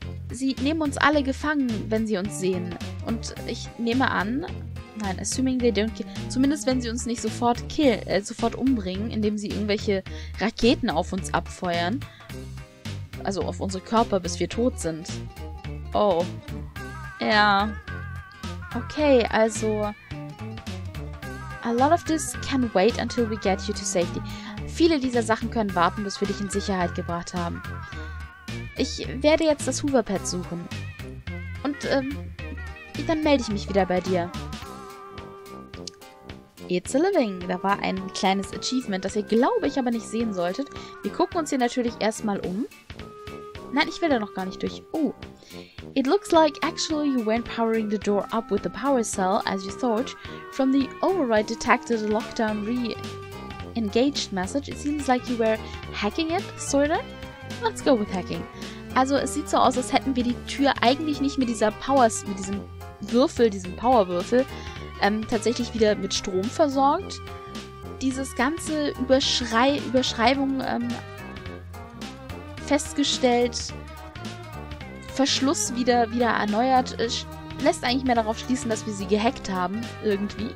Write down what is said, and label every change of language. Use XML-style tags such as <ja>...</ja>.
<de>Sie nehmen uns alle gefangen, wenn sie uns sehen. Und ich nehme an, nein,</de> <en>assuming they don't kill,</en> <de>zumindest wenn sie uns nicht sofort sofort umbringen, indem sie irgendwelche Raketen auf uns abfeuern. Also auf unsere Körper, bis wir tot sind. Oh. Ja.</de> <en>Okay, also, a lot of this can wait until we get you to safety.</en> <de>Viele dieser Sachen können warten, bis wir dich in Sicherheit gebracht haben. Ich werde jetzt das Hoverpad suchen. Und, dann melde ich mich wieder bei dir.</de> <en>It's a living.</en> <de>Da war ein kleines Achievement, das ihr, glaube ich, aber nicht sehen solltet. Wir gucken uns hier natürlich erstmal um. Nein, ich will da noch gar nicht durch. Oh.</de> <en>It looks like actually you weren't powering the door up with the power cell, as you thought. From the override detected lockdown re-engaged message, it seems like you were hacking it, sort of. Let's go with hacking.</en> <de>Also es sieht so aus, als hätten wir die Tür eigentlich nicht mit dieser Powerwürfel, tatsächlich wieder mit Strom versorgt. Dieses ganze Überschreibung festgestellt, Verschluss wieder erneuert, lässt eigentlich mehr darauf schließen, dass wir sie gehackt haben. Irgendwie.</de>